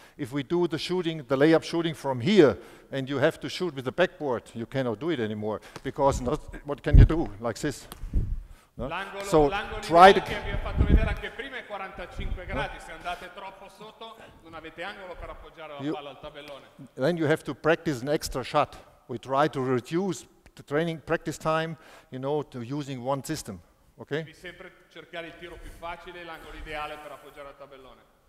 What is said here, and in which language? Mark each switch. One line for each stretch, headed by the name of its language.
English: If we do the shooting, the layup shooting from here, and you have to shoot with the backboard, you cannot do it anymore, because not, what can you do like this? No? L'angolo, so l'angolo try to.
Italian: Vi ho fatto vedere anche prima è 45 gradi. No? Se andate troppo sotto, non avete angolo per appoggiare la palla al tabellone.
English: Then you have to practice an extra shot. We try to reduce the training practice time, you know, to using one system. Okay.
Italian: Devi sempre cercare il tiro più facile, l'angolo ideale per appoggiare al tabellone.